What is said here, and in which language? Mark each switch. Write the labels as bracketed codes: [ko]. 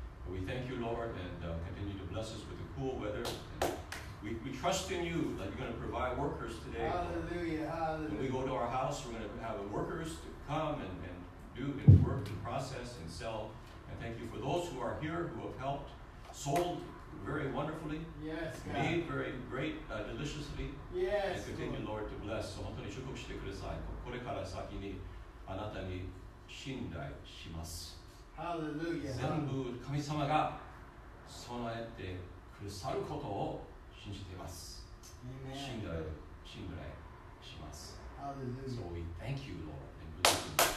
[en] We thank you, Lord, and continue to bless us with the cool weather. And we trust in you that you're going to provide workers today. Hallelujah. When we go to our house, we're going to have workers to come and do and work and process and sell. And thank you for those who are here who have helped, sold very wonderfully. Yes, God. Made very great, deliciously. Yes. And continue, Lord, to bless. [ja] So, 本当に祝福してください。これから先にあなたに信頼します。 [en] Hallelujah. [ja] 全部神様が備えてくださることを信じています。 [en] Amen. [ja] 信頼します。 [en] Hallelujah. So we thank you, Lord, and bless you.